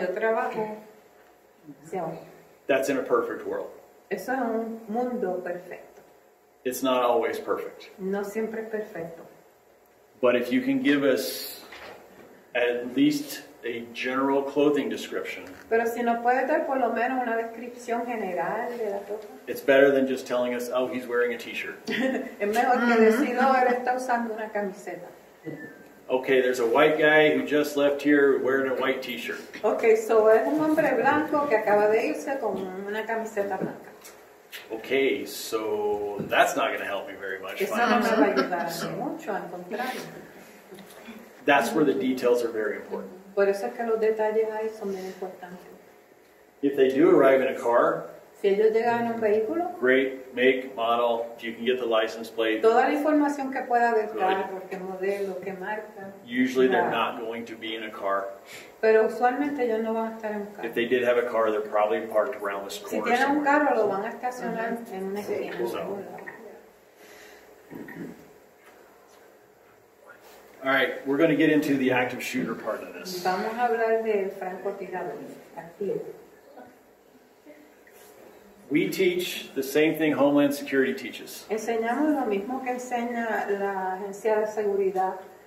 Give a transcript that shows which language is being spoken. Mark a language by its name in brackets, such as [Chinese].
[Spanish] Yo trabajo. [English] That's in a perfect world. [Spanish] Eso es un mundo perfecto. [English] It's not always perfect. [Spanish] No siempre es perfecto. [English] But if you can give us at least a general clothing description. [Spanish] Pero si no puede dar por lo menos una descripción general de la ropa. [English] It's better than just telling us, oh, he's wearing a t-shirt. [Spanish] Es mejor que decir, oh, él está usando una camiseta. [English] Okay, there's a white guy who just left here wearing a white t-shirt. Okay, so [Spanish] es un hombre blanco que acaba de irse con una camiseta blanca. [English] Okay, so that's not going to help me very much. [Spanish] Eso no me va a ayudar mucho, al contrario. [English] That's where the details are very important. [Spanish] Por eso es que los detalles ahí son bien importantes. [English] If they do arrive in a car, [Spanish] si ellos llegan en un vehículo, [English] great, make, model, if you can get the license plate, [Spanish] toda la información que pueda del carro, qué modelo, qué marca, [English] usually they're not going to be in a car. [Spanish] Pero usualmente ellos no van a estar en un carro. [English] If they did have a car, they're probably parked around this corner. [Spanish] Si tienen [English] somewhere. [Spanish] Un carro, lo van a estacionar mm-hmm. en una esquina. [English] So. All right, we're going to get into the active shooter part of this. [Spanish] Vamos a hablar de francotirador activo. [English] We teach the same thing Homeland Security teaches. [Spanish] Enseñamos lo mismo que enseña la agencia de seguridad.